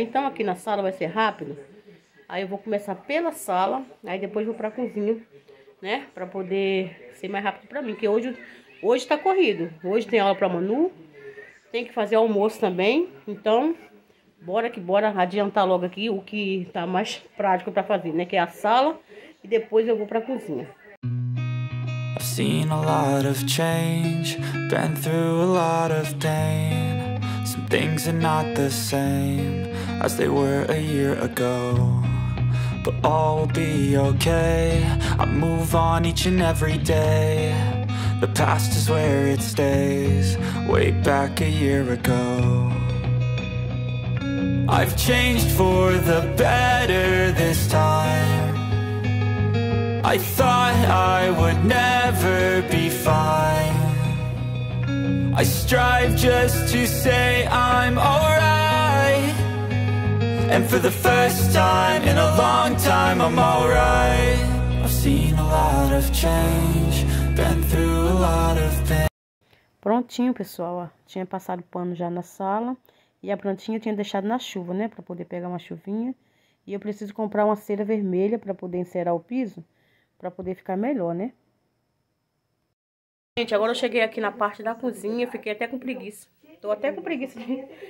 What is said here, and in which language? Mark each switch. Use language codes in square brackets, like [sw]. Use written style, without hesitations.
[pt] Então aqui na sala vai ser rápido. Aí eu vou começar pela sala, aí depois vou para a cozinha, né, para poder ser mais rápido para mim, que hoje tá corrido. Hoje tem aula para Manu. Tem que fazer almoço também. Então, bora que bora adiantar logo aqui o que tá mais prático para fazer, né, que é a sala, e depois eu vou para a cozinha. [en] I've seen a lot of change, been through a lot of pain. Some things are not the same as they were a year ago. But all will be okay, I move on each and every day. The past is where it stays, way back a year ago. I've changed for the better this time. I thought I would never be fine. I strive just to say I'm alright. And for the first time in a long time, I'm alright. I've seen a lot of change, been through a lot of pain. [pt] Prontinho, pessoal. Tinha passado pano já na sala. E a plantinha eu tinha deixado na chuva, né? Pra poder pegar uma chuvinha. E eu preciso comprar uma cera vermelha pra poder encerar o piso. Pra poder ficar melhor, né? Gente, agora eu cheguei aqui na parte da cozinha. Fiquei até com preguiça. Tô até com preguiça de...